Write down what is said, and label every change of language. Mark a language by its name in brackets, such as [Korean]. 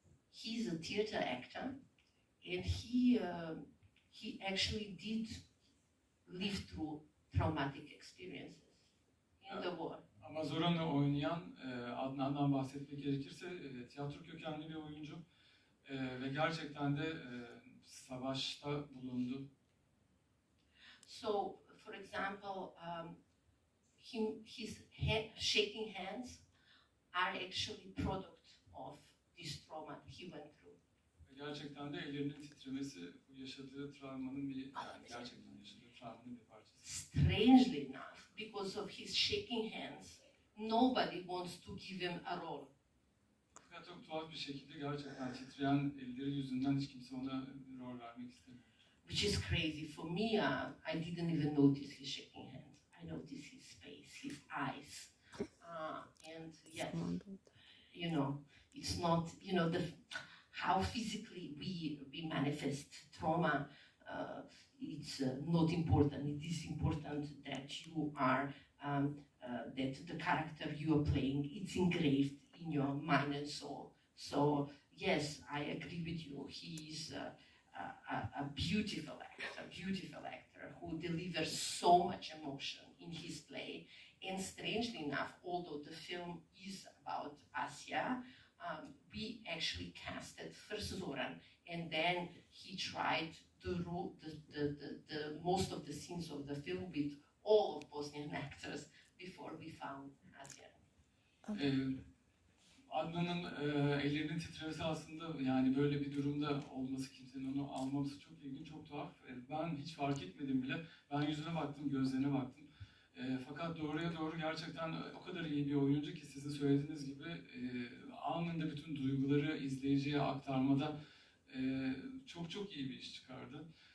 [English] He's a theater actor, and he actually did live through traumatic experiences in the war. [Turkish] Amazon'da oynayan Adnan'dan bahsetmek gerekirse tiyatro kökenli bir oyuncu ve gerçekten de savaşta bulundu. [English] So, for example, his shaking hands are actually product of this trauma he went through. [Turkish] Gerçekten de ellerinin titremesi bu yaşadığı travmanın bir gerçekten yaşadığı travmanın bir parçası. [English] Strangely enough, because of his shaking hands, nobody wants to give him a role. [Turkish] Fakat çok tuhaf bir şekilde gerçekten titreyen elleri yüzünden hiç kimse ona rol vermek istemiyor. [English] Which is crazy for me. I didn't even notice his shaking hands. I noticed his face, his eyes, and yes, you know, it's not, you know, the how physically we manifest trauma. It's not important. It is important that you are that the character you are playing, it's engraved in your mind and soul. So yes, I agree with you. He is. A beautiful actor who delivers so much emotion in his play. And strangely enough, although the film is about Asia, we actually casted first Zoran, and then he tried to wrote the most of the scenes of the film with all of Bosnian actors before we found Asia. Okay. [Turkish] Adnan'ın ellerinin titremesi aslında yani böyle bir durumda olması, kimsenin onu almaması çok ilginç, çok tuhaf. Ben hiç fark etmedim bile. Ben yüzüne baktım, gözlerine baktım. Fakat doğruya doğru gerçekten o kadar iyi bir oyuncu ki sizin söylediğiniz gibi anında bütün duyguları izleyiciye aktarmada çok çok iyi bir iş çıkardı.